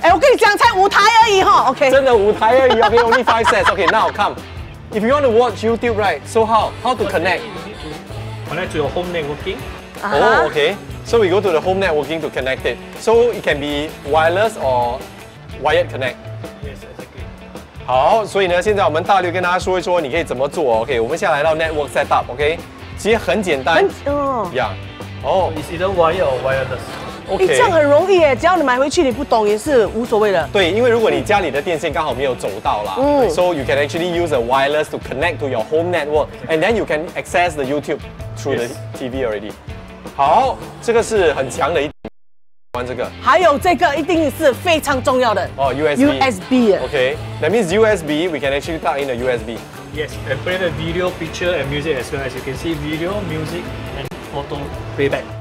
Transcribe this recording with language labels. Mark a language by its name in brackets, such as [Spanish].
[Chinese] 我跟你讲，才五台而已哈 ，okay。真的五台而已 [English] ，okay, only 5 sets. Okay, now come. If you want to watch YouTube, right, so how to connect? Connect to your home networking. Uh-huh. Oh, okay. So we go to the home networking to connect it. So it can be wireless or wired connect. [Chinese] 好，所以呢，现在我们大略跟大家说一说，你可以怎么做。 OK， 我们先来到 network setup。OK， 其实很简单。很哦。 [English] Yeah。哦。It's either wired or wireless。 OK。 [Chinese] 这样很容易耶，只要你买回去你不懂也是无所谓的。对，因为如果你家里的电线刚好没有走到啦， [English] So you can actually use a wireless to connect to your home network, and then you can access the YouTube through the TV already。 [Chinese] 好，这个是很强的一。玩这个，还有这个一定是非常重要的哦、USB。 USB。 [English] OK， that means USB， we can actually plug in the USB。 Yes， and play the video, picture and music as well as you can see video, music and auto playback。